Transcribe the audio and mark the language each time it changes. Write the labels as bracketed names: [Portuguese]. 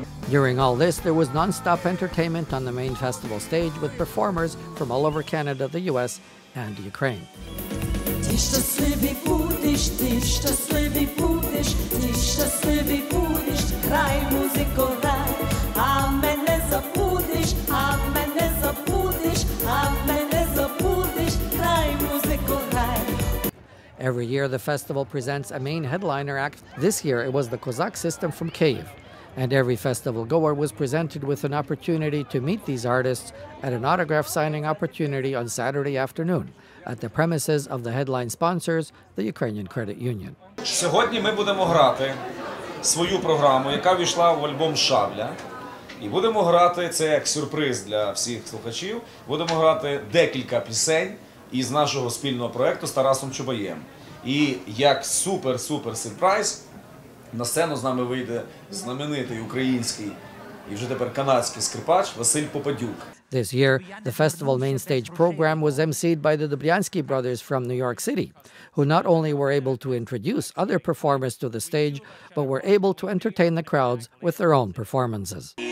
[English] During all this, there was non-stop entertainment on the main festival stage with performers from all over Canada, the US and Ukraine. [Ukrainian] Ти щасливий будеш, ти щасливий будеш, ти щасливий будеш, грай, музико, грай, а мене забудеш, а мене забудеш, а мене забудеш, грай, музико, грай. [English] Every year the festival presents a main headliner act. This year it was the Kozak System from Kyiv. And every festival goer was presented with an opportunity to meet these artists at an autograph signing opportunity on Saturday afternoon at the premises of the headline sponsors, the Ukrainian Credit Union. [Ukrainian] Сьогодні ми будемо грати свою програму, яка війшла в альбом «Шабля». І будемо грати, це як сюрприз для всіх слухачів, будемо грати декілька пісень із нашого спільного проєкту з Тарасом Чубаєм. І як супер-супер сюрприз, на сцену з нами вийде знаменитий український і вже тепер канадський скрипач Василь Попадюк. [English] This year, the festival main stage program was emceed by the Dobryansky brothers from New York City, who not only were able to introduce other performers to the stage, but were able to entertain the crowds with their own performances.